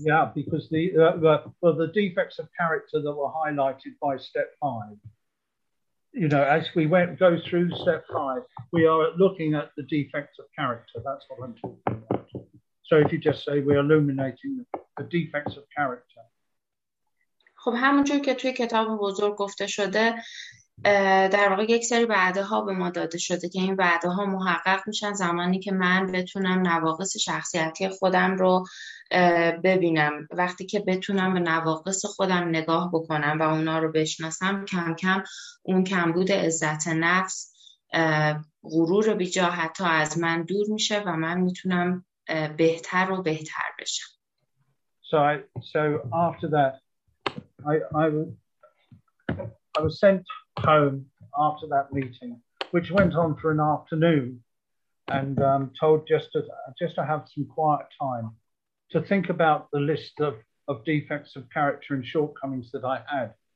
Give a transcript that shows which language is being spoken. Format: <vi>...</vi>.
<en>Yeah, because the defects of character that were highlighted by step 5. You know, as we go through step 5, we are looking at the defects of character. That's what I'm talking about. So if you just say we're illuminating the defects of character.</en> <fa>خب همونجور که توی کتاب بزرگ گفته شده در واقع یک سری وعده ها به ما داده شده که این وعده ها محقق میشن زمانی که من بتونم نواقص شخصیتی خودم رو ببینم. وقتی که بتونم به نواقص خودم نگاه بکنم و اونا رو بشناسم، کم کم اون کمبود عزت نفس، غرور و بیجا حتی از من دور میشه و من میتونم بهتر و بهتر بشم.</fa> <en>So after that, I was sent home after that meeting, which went on for an afternoon, and told just to have some quiet time to think about the list of defects of character and shortcomings that I had.</en>